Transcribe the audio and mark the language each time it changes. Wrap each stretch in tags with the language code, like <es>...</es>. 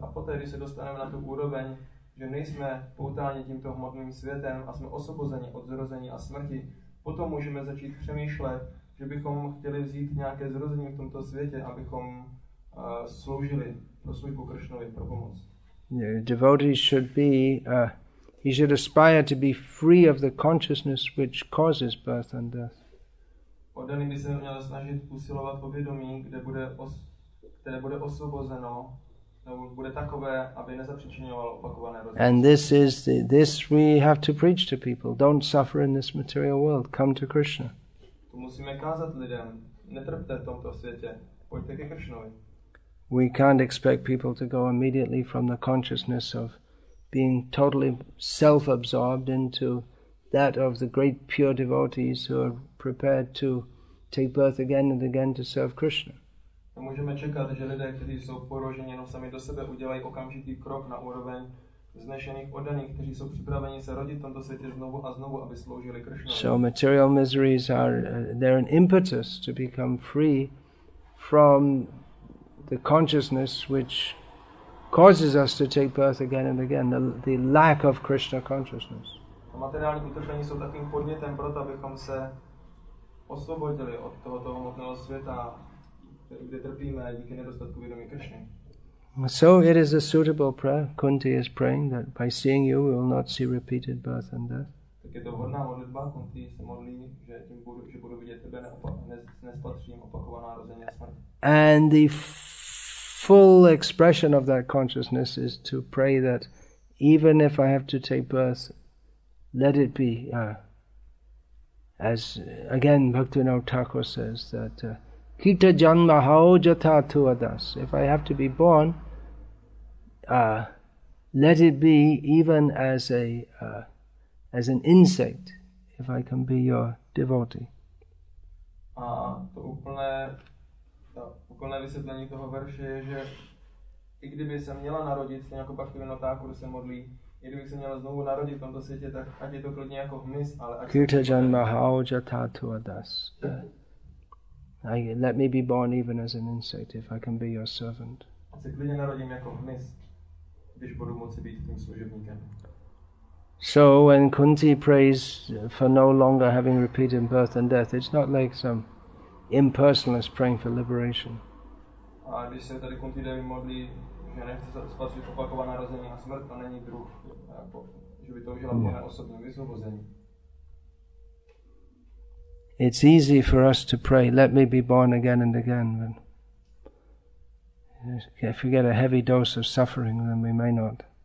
<cs>A poté, když se dostaneme na tu úroveň, že nejsme poutáni tímto hmotným světem a jsme osvobozeni od zrození a smrti, potom můžeme začít přemýšlet, že bychom chtěli vzít nějaké zrození v tomto světě, abychom sloužili pro službu Kršnovi, pro pomoc.</cs> <en>Devotee should be, he should aspire to be free of the consciousness which causes birth and death.</en> <cs>Oddaný by se měl snažit usilovat o vědomí, které bude osvobozeno, nebo bude takové, aby nezapříčinovalo opakované rození.</cs> <en>And this is the, this we have to preach to people. Don't suffer in this material world. Come to Krishna.</en> <cs>To musíme kázat lidem. Netrpte v tomto světě. Pojďte ke Krishnovi.</cs> <en>We can't expect people to go immediately from the consciousness of being totally self-absorbed into that of the great pure devotees who are prepared to take birth again and again to serve Krishna.</en> <cs>Můžeme čekat, že lidé, kteří jsou poroženi jenom sami do sebe, udělají okamžitý krok na úroveň vznešených oddaných, kteří jsou připraveni se rodit v tomto světě znovu a znovu, aby sloužili Krishna.</cs> <en>So material miseries are, they're an impetus to become free from the consciousness which causes us to take birth again and again, the lack of Krishna consciousness.</en> <cs>A materiální utrpení jsou takým podnětem pro to, abychom se osvobodili od tohoto hmotného světa, kde trpíme díky nedostatku vědomí Krishny.</cs> <en>So it is a suitable prayer. Kunti is praying that by seeing you we will not see repeated birth and death.</en> <cs>Tak je to vhodná modlitba. Kunti se modlí, že tím budu, že budu vidět tebe, nespatřím opakovaná rození a smrt.</cs> <en>And the full expression of that consciousness is to pray that even if I have to take birth, let it be, as again Bhaktivinoda Thakur says, that</en> <bn>kita janma hao jatha tuadas.</bn> <en>If I have to be born, let it be even as an insect, if I can be your devotee.</en> <cs>To úplné Ta úplné vysvětlení toho verše je, že i kdyby se měla narodit, stejně jako Bhaktivinoda Thakur se modlí, i kdybych se měla znovu narodit v tomto světě, tak ať je to klidně jako hmyz, ale ať...</cs> <bn>Kirta janma haoja tatu adas.</bn> <en>Let me be born even as an insect, if I can be your servant.</en> <cs>Ať se klidně narodím jako hmyz, když budu moci být tím služebníkem.</cs> <en>So when Kunti prays for no longer having repeated birth and death, it's not like some impersonalist praying for liberation.</en> <cs>A když se tady Kunti Devi modlí, že nechce spatřit opakované narození a smrt, to není druh, že by to užila pro osobní vysvobození.</cs> <en>It's easy for us to pray, let me be born again and again. But if we get a heavy dose of suffering, then we may not.</en>